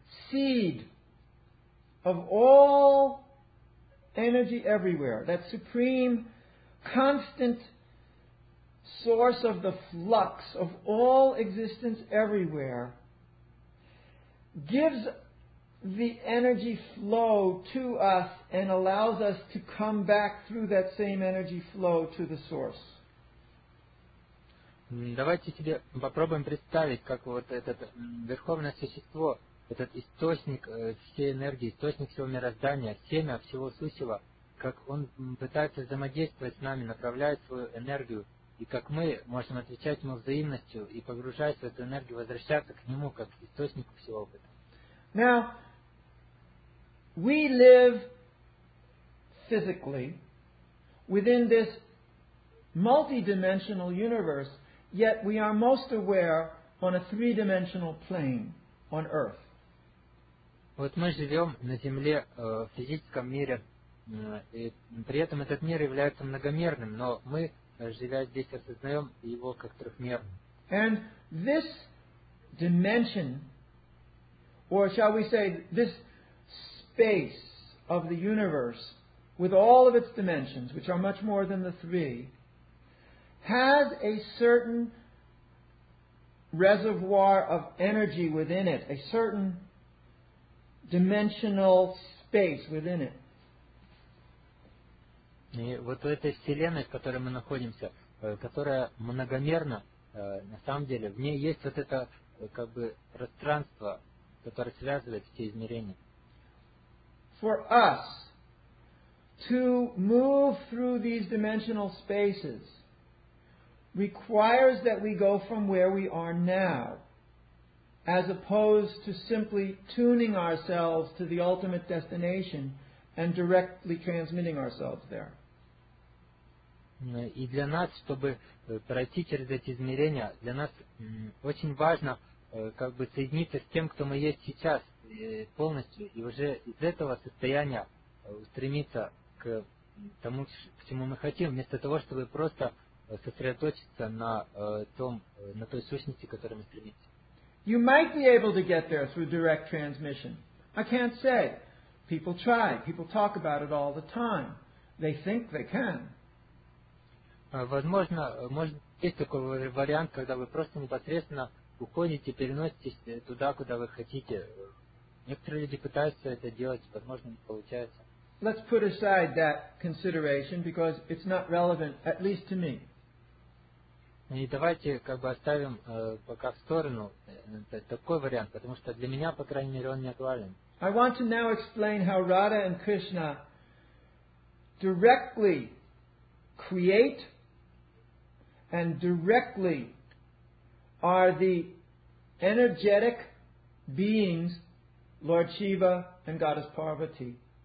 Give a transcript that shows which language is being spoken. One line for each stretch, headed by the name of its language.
English: seed of all energy everywhere, that supreme constant source of the flux of all existence everywhere, gives the energy flow to us and allows us to come back through that same energy flow to the source.
Russian: Давайте себе попробуем представить, как вот это верховное существо, этот источник всей энергии, источник всего мироздания, семя всего сущего, как он пытается взаимодействовать с нами, направляет свою энергию, и как мы можем отвечать ему взаимностью и, погружаясь в эту энергию, возвращаться к нему, как к источнику всего опыта.
English: Now, we live physically within this multi-dimensional universe, yet we are most aware on a three-dimensional plane on Earth.
Russian: Вот мы живем на Земле в физическом мире, и при этом этот мир является многомерным, но мы, живя здесь, осознаем его как трехмерным.
English: And this dimension, or shall we say, this space of the universe, with all of its dimensions, which are much more than the three, has a certain reservoir of energy within it, a certain dimensional space within it.
Russian: И вот в этой вселенной, в которой мы находимся, которая многомерна, на самом деле, в ней есть вот это как бы пространство, которое связывает все измерения.
English: For us to move through these dimensional spaces requires that we go from where we are now, as opposed to simply tuning ourselves to the ultimate destination and directly transmitting ourselves there.
Russian: И для нас, чтобы пройти через эти измерения, для нас очень важно как бы соединиться с тем, кто мы есть сейчас полностью, и уже из этого состояния стремиться к тому, к чему мы хотим, вместо того, чтобы просто сосредоточиться на той сущности, к которой мы стремимся.
English: You might be able to get there through direct transmission. I can't say. People try. People talk about it all the time. They think they can.
Russian: Возможно, может, есть такой вариант, когда вы просто непосредственно уходите, переноситесь туда, куда вы хотите. Некоторые люди пытаются это делать, возможно, не получается.
English: Let's put aside that consideration, because it's not relevant, at least to me.
Russian: И давайте как бы оставим пока в сторону такой вариант, потому что для меня, по крайней мере, он не актуален.
English: I want to now explain how Radha and Krishna directly create and directly are the energetic beings, Lord Shiva and Goddess Parvati.